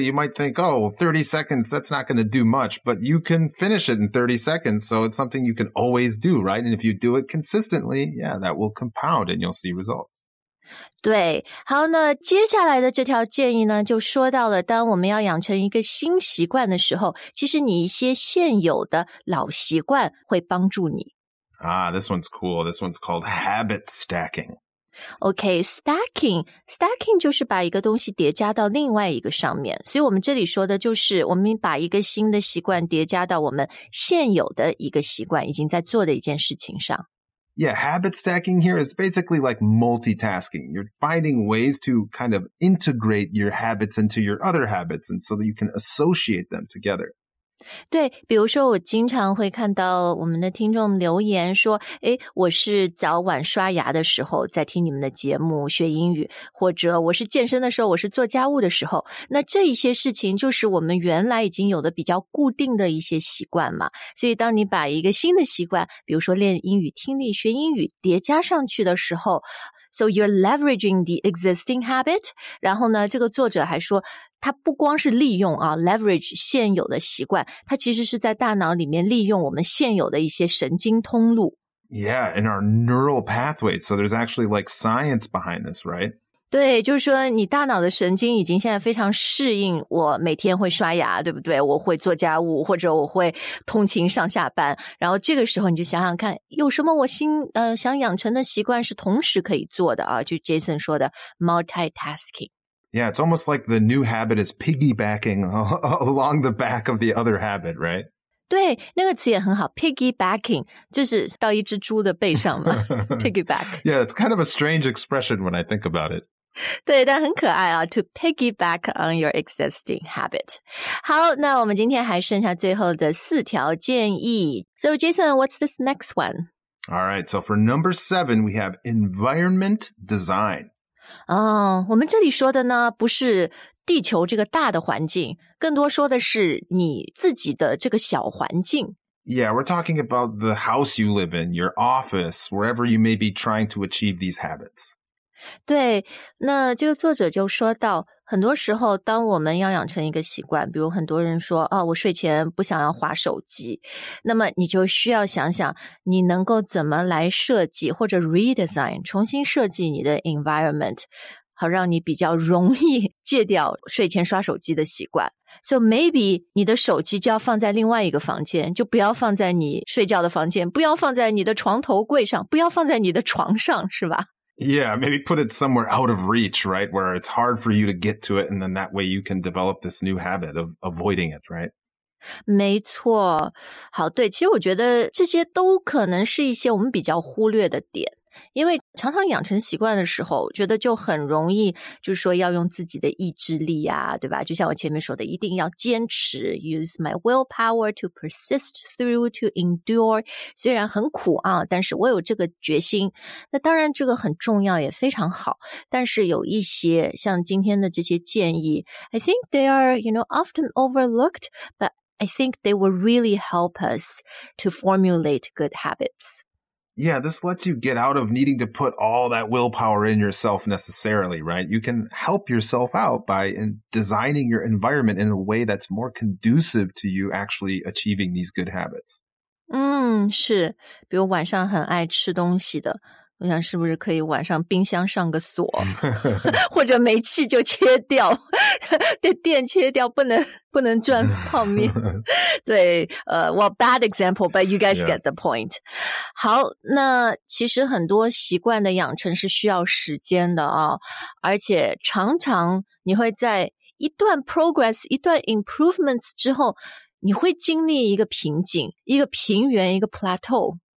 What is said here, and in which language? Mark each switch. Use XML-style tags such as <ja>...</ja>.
<en>You might think, oh, 30 seconds, that's not going to do much, but you can finish it in 30 seconds. So it's something you can always do, right? And if you do it consistently, yeah, that will compound and you'll see results.</en> <zh>对，好，那接下来的这条建议呢，就说到了当我们要养成一个新习惯的时候，其实你一些现有的老习惯会帮助你。</zh> <en>Ah, this one's cool. This one's called habit stacking.</en> <zh>Okay, stacking 就是把一个东西叠加到另外一个上面。所以我们这里说的就是我们把一个新的习惯叠加到我们现有的一个习惯已经在做的一件事情上。</zh> <en>Yeah, habit stacking here is basically like multitasking. You're finding ways to kind of integrate your habits into your other habits and so that you can associate them together.</en> <zh>对，比如说我经常会看到我们的听众留言说，诶，我是早晚刷牙的时候在听你们的节目学英语，或者我是健身的时候，我是做家务的时候，那这一些事情就是我们原来已经有的比较固定的一些习惯嘛。所以当你把一个新的习惯，比如说练英语听力学英语叠加上去的时候，</zh> <en>So you're leveraging the existing habit.</en> <zh>然后呢，这个作者还说它不光是利用啊 ,leverage 现有的习惯，它其实是在大脑里面利用我们现有的一些神经通路。</zh> <en>Yeah, in our neural pathways. So there's actually like science behind this, right?</en> <zh>对，就是说你大脑的神经已经现在非常适应我每天会刷牙，对不对？我会做家务，或者我会通勤上下班。然后这个时候你就想想看，有什么我新想养成的习惯是同时可以做的啊，就 Jason 说的 multitasking。</zh> <en>Yeah, it's almost like the new habit is piggybacking along the back of the other habit, right?</en> <zh>对，那个词也很好 ,piggybacking, 就是到一只猪的背上嘛 ,piggyback.</zh> <en>Yeah, it's kind of a strange expression when I think about it.</en> <zh>对，但很可爱啊</zh> <en>,to piggyback on your existing habit.</en> <zh>好，那我们今天还剩下最后的四条建议。</zh> <en>So Jason, what's this next one? All right, so for number 7, we have environment design.</en> <zh>我们这里说的呢不是地球这个大的环境，更多说的是你自己的这个小环境。</zh> <en>Yeah, we're talking about the house you live in, your office, wherever you may be trying to achieve these habits.</en> <zh>对，那这个作者就说到，很多时候当我们要养成一个习惯，比如很多人说，哦，我睡前不想要滑手机，那么你就需要想想你能够怎么来设计或者 redesign, 重新设计你的 environment, 好让你比较容易戒掉睡前刷手机的习惯。</zh> <en>So maybe</en> <zh>你的手机就要放在另外一个房间，就不要放在你睡觉的房间，不要放在你的床头柜上，不要放在你的床上，是吧？</zh> <en>Yeah, maybe put it somewhere out of reach, right? Where it's hard for you to get to it, and then that way you can develop this new habit of avoiding it, right?</en> <zh>没错。好，对，其实我觉得这些都可能是一些我们比较忽略的点。因为常常养成习惯的时候，觉得就很容易，就是说要用自己的意志力啊，对吧？就像我前面说的，一定要坚持 ，</zh> <en>use my willpower to persist through to endure。</en> <zh>虽然很苦啊，但是我有这个决心。那当然，这个很重要，也非常好。但是有一些像今天的这些建议</zh> <en>，I think they are you know often overlooked, but I think they will really help us to formulate good habits. Yeah, this lets you get out of needing to put all that willpower in yourself necessarily, right? You can help yourself out by designing your environment in a way that's more conducive to you actually achieving these good habits.</en> <zh>嗯，是，比如晚上很爱吃东西的，我想是不是可以晚上冰箱上个锁，或者煤气就切掉，对，电切掉，不能转泡面。对，</zh> <en>well, bad example, but you guys get the point.</en> <zh>好，那其实很多习惯的养成是需要时间的啊，而且常常你会在一段 progress, 一段 improvements 之后，你会经历一个瓶颈，一个平原，一个 plateau。</zh>